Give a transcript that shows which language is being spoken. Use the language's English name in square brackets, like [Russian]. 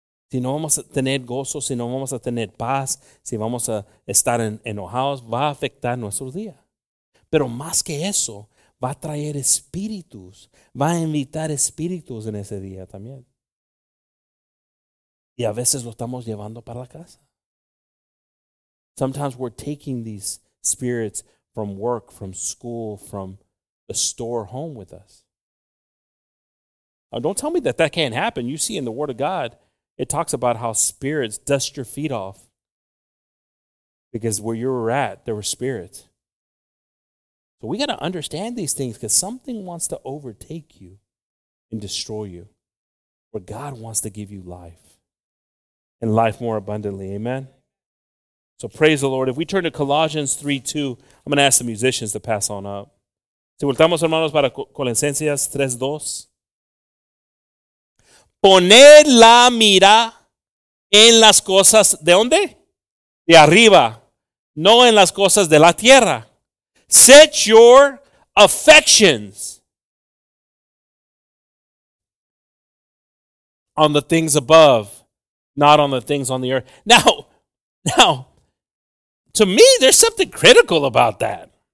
[Spanish] Si no vamos a tener gozo, si no vamos a tener paz, si vamos a estar enojados, va a afectar nuestro día. Pero más que eso, va a traer espíritus, va a invitar espíritus en ese día también. Y a veces lo estamos llevando para la casa. [English] Sometimes we're taking these spirits from work, from school, from a store home with us. Now, don't tell me that that can't happen. You see in the Word of God, it talks about how spirits dust your feet off. Because where you were at, there were spirits. So we got to understand these things because something wants to overtake you and destroy you. But God wants to give you life and life more abundantly. Amen. So praise the Lord. If we turn to Colossians 3:2, I'm going to ask the musicians to pass on up. [Spanish] Si voltamos, hermanos, para Colosenses 3:2. Poner la mira en las cosas de donde? De arriba. No en las cosas de la tierra. [English] Set your affections on the things above, not on the things on the earth. Now, to me, there's something critical about that.